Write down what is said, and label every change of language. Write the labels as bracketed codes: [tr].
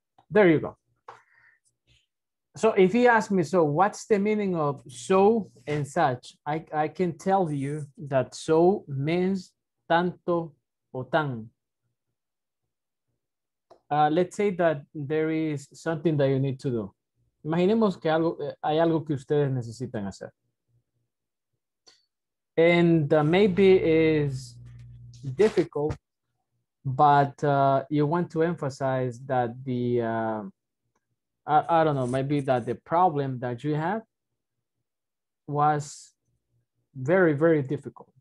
[en] There you go. So if he asks me, so what's the meaning of so and such? I can tell you that so means [es] tanto o tan. [en] Let's say that there is something that you need to do. [es] Imaginemos que algo, hay algo que ustedes necesitan hacer. [en] And maybe it's difficult, but you want to emphasize that the, I don't know, maybe that the problem that you have was very, very difficult.